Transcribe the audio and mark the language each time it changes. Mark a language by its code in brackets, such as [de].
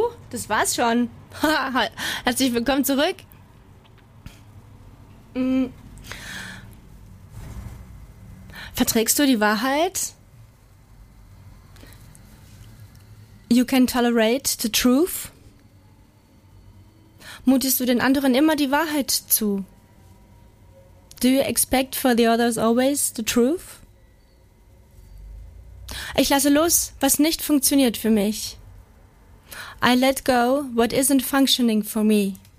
[de] das war's schon. Herzlich willkommen zurück. Verträgst du die Wahrheit? [en] You can tolerate the truth? [de] Mutest du den anderen immer die Wahrheit zu? [en] Do you expect for the others always the truth? [de] Ich lasse los, was nicht funktioniert für mich. [en] I let go what isn't functioning for me.